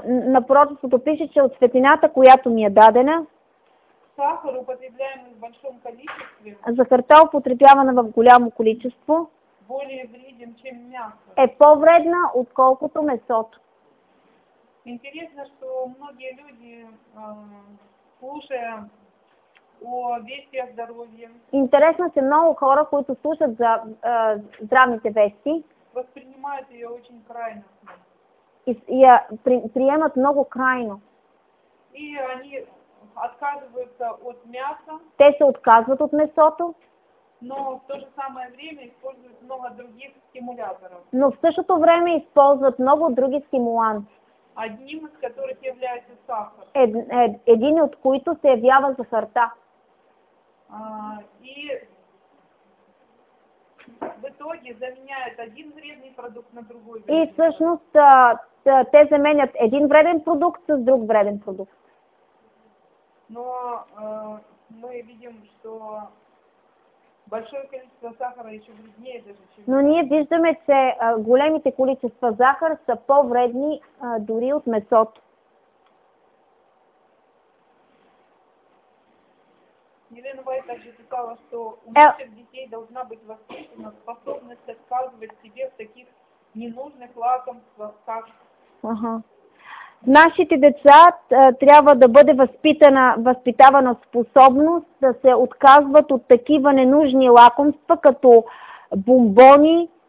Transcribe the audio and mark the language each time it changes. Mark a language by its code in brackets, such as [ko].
[bg] на пророчеството пише, че от светлината, която ми е дадена, [ru] сахар, употребляем в большом количестве, [bg] захарта, употребявана в голямо количество, [ru] более вреден, чем мясо, [bg] е по-вредна, отколкото месото. [ru] Интересно, что многие люди, слушая о вести о здоровье, [bg] интересно, че много хора, които слушат за здравните вести, [ru] воспринимают ее очень крайно. [bg] И я приемат много крайно. [ru] И они отказываются от мяса. [bg] Те се отказват от месото. [ru] Но в то же самое время используют много других стимуляторов. [bg] Но в същото време използват много други стимуланти. [ru] Одним из которых является сахар. [bg] Един от които се явява захарта. [ru] И в итоге заменяют один вредный продукт на другой вредный. [bg] И всъщност те заменят един вреден продукт с друг вреден продукт. [ru] Но мы видим, что большое количество сахара еще вреднее даже, чем... [bg] Но ние виждаме, че големите количества захар са по-вредни дори от месото. [ru] Елена Вайт также сказала, что у наших детей должна быть воспитана способность отказывать себе в таких ненужных лакомствах, как... Ага. [bg] нашите деца трябва да бъде възпитавана способност да се отказват от такива ненужни лакомства, като бомбони,